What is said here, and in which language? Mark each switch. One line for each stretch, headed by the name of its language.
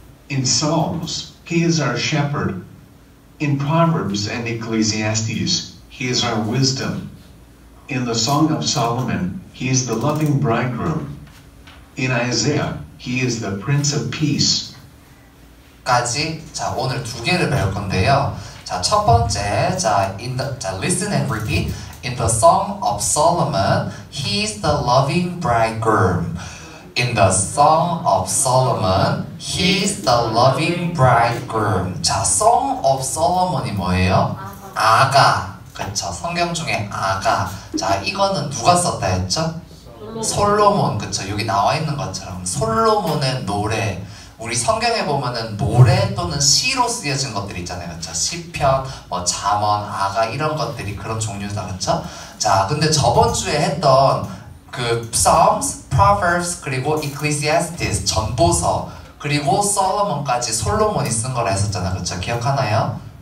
English: In Psalms, he is our shepherd. In Proverbs and Ecclesiastes, he is our wisdom. In the Song of Solomon, he is the loving bridegroom. In Isaiah, he is the Prince of Peace.
Korean: 까지 자 오늘 두 개를 배울 건데요. 자 첫 번째 자
English: in the 자 listen and repeat in the Song of Solomon he's the loving bridegroom. In the Song of Solomon he's the loving bridegroom.
Korean: 자 Song of Solomon이 뭐예요? 아가 그렇죠 성경 중에 아가 자 이거는 누가 썼다 했죠? 솔로몬 그렇죠 여기 나와 있는 것처럼 솔로몬의 노래 우리 성경에 보면은 노래 또는 시로 쓰여진 것들이 있잖아요 그렇죠 시편 뭐 잠언 아가 이런 것들이 그런 종류다 그렇죠 자 근데 저번 주에 했던 그 Psalms, Proverbs 그리고 Ecclesiastes 전보서 그리고 솔로몬까지 솔로몬이 쓴 거라 했었잖아요 그렇죠 기억하나요?